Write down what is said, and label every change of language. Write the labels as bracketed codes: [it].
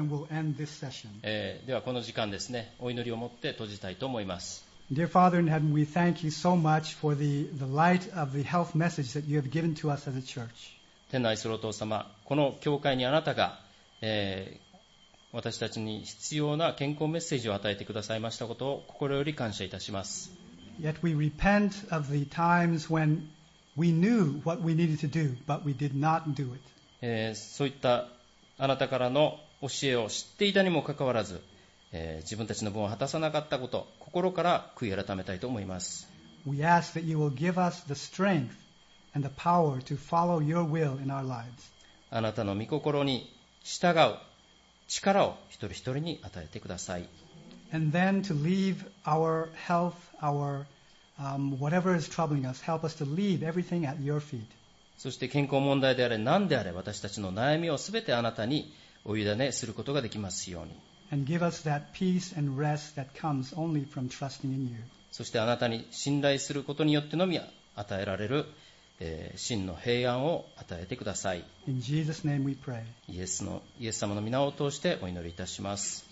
[ja] ではこの時間ですね、お祈りを持って閉じたいと思います。 [en] Dear Father in heaven, we thank you so much for the light of the health message that you have given to us as a church. [ja] 天の愛するお父様、この教会にあなたが、私たちに必要な健康メッセージを与えてくださいましたことを心より感謝いたします。そういったあなたからの教えを知っていたにもかかわらず、自分たちの分を果たさなかったこと、心から悔い改めたいと思います。 [en] We ask that you will give us the strength and the power to follow your will in our lives. [ja] あなたの御心に従う力を一人一人に与えてください。 [en] And then to leave our health, our, whatever is troubling us, help us to leave everything at your feet. [ja] そして健康問題であれ何であれ、私たちの悩みをすべてあなたにお委ねすることができますように。 [en] And give us that peace and rest that comes only from trusting in you. [ja] そしてあなたに信頼することによってのみ与えられる、真の平安を与えてください。 [en] In Jesus' name we pray. [ja] イエス様の御名を通してお祈りいたします。